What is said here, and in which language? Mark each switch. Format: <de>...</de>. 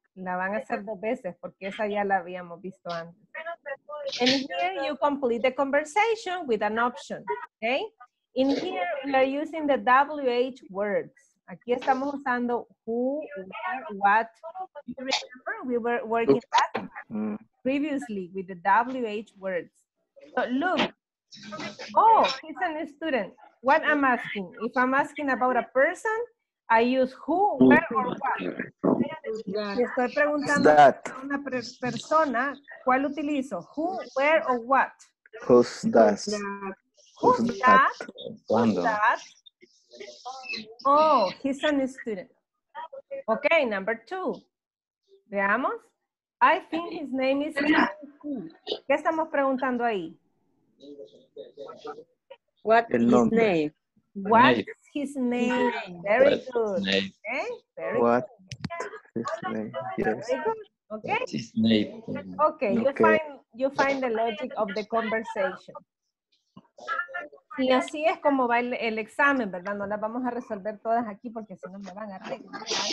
<es>La van a hacer dos veces porque esa ya la habíamos visto antes.</es> <en>And here you complete the conversation with an option. Okay. In here we are using the WH words.</en> <es>Aquí estamos usando</es> <en>who, where, what. You remember we were working that previously with the WH words. So look. Oh, he's a new student. What I'm asking? If I'm asking about a person, I use who, where, or what.</en> <es>Si estoy preguntando a una persona, ¿cuál utilizo?</es> <en>Who, where, or what? Who's that? Who's that? Who's that? Oh, he's a new student. Okay, number two.</en> <es>Veamos.</es> <en>I think his name is Kaku.</en> <es>¿Qué estamos preguntando ahí?</es> <en>What's his name? Very good. Okay, very what good. His name? Yes. Very good. Okay. His name. Okay, you find the logic of the conversation.</en> <es>Y así es como va el examen, ¿verdad? No las vamos a resolver todas aquí porque si no me van a arreglar.</es>